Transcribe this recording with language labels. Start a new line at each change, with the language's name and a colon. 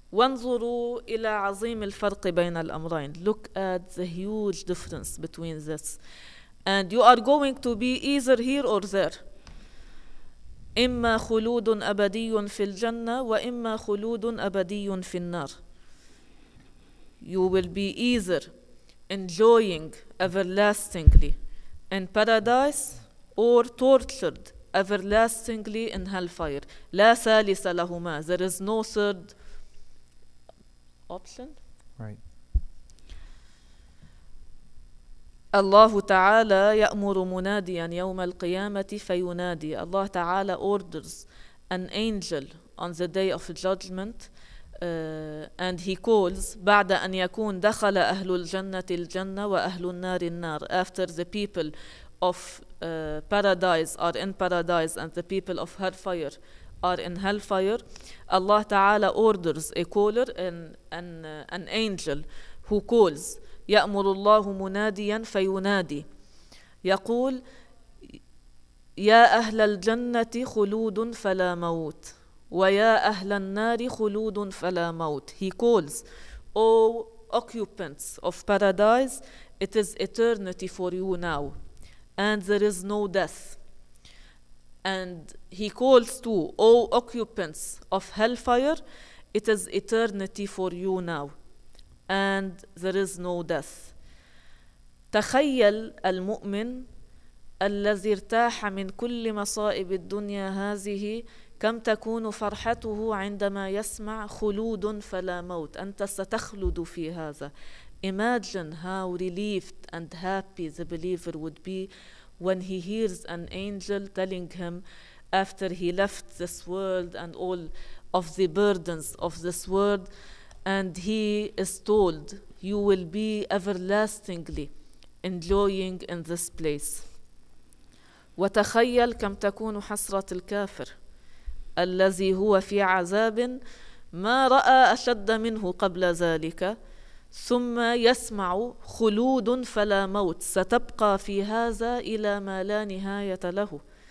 Arabic: وانظروا إلى عظيم الفرق بين الأمرين.
English: Look at the huge difference between this. And you are going to be either here or there.
Arabic: إما خلود أبدي في الجنة وإما خلود أبدي في النار.
English: You will be either enjoying everlastingly in paradise or tortured everlastingly in hellfire.
Arabic: لا ثالث لهما.
English: There is no third option. Right.
Arabic: الله تعالى يأمر مناديا يوم القيامة فينادي. الله تعالى
English: orders an angel on the day of judgment and he calls
Arabic: بعد أن يكون دخل أهل الجنة الجنة وأهل النار النار.
English: After the people of paradise are in paradise and the people of hellfire are in hellfire, الله تعالى orders a caller an angel who calls.
Arabic: يأمر الله مناديا فينادي يقول يا أهل الجنة خلود فلا موت ويا أهل النار خلود فلا موت.
English: He calls O occupants of paradise, it is eternity for you now and there is no death. And he calls to O occupants of hellfire, it is eternity for you now and there is no death.
Arabic: تخيل المؤمن الذي ارتاح من كل مصائب الدنيا هذه كم تكون فرحته عندما يسمع خلود فلا موت. أنت ستخلد في هذا.
English: Imagine how relieved and happy the believer would be when he hears an angel telling him after he left this world and all of the burdens of this world, and he is told, you will be everlastingly enjoying in this place.
Arabic: وتخيل كم تكون حسرة الكافر الذي هو في عذاب ما رأى أشد منه قبل ذلك ثم يسمع خلود فلا موت. ستبقى في هذا إلى ما لا نهاية له.